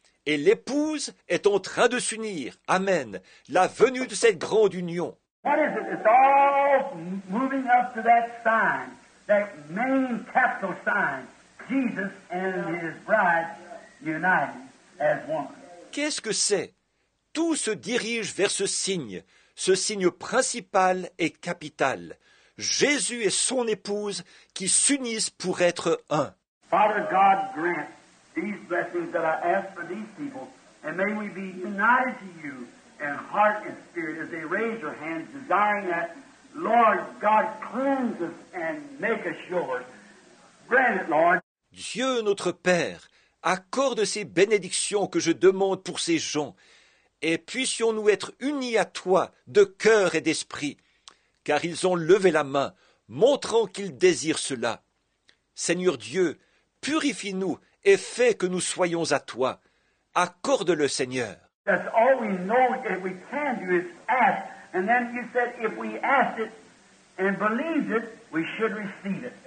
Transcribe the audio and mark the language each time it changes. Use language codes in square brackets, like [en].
[fr] Et l'épouse est en train de s'unir. Amen. La venue de cette grande union. [en] What is it? It's all moving up to that sign, that main capital sign, Jesus and his bride united as one. [fr] Qu'est-ce que c'est? Tout se dirige vers ce signe principal et capital. Jésus et son épouse qui s'unissent pour être un. [en] Father God, grant these blessings that I ask for these people, and may we be united to you in heart and spirit as they raise their hands, desiring that, Lord God, cleanse us and make us yours. Grant it, Lord. [fr] Dieu notre Père, accorde ces bénédictions que je demande pour ces gens, et puissions-nous être unis à toi de cœur et d'esprit, car ils ont levé la main, montrant qu'ils désirent cela. Seigneur Dieu, purifie-nous et fais que nous soyons à toi. Accorde-le, Seigneur. [en] That's all we know that we can do is ask. And then you said if we ask it and believe it, we should receive it.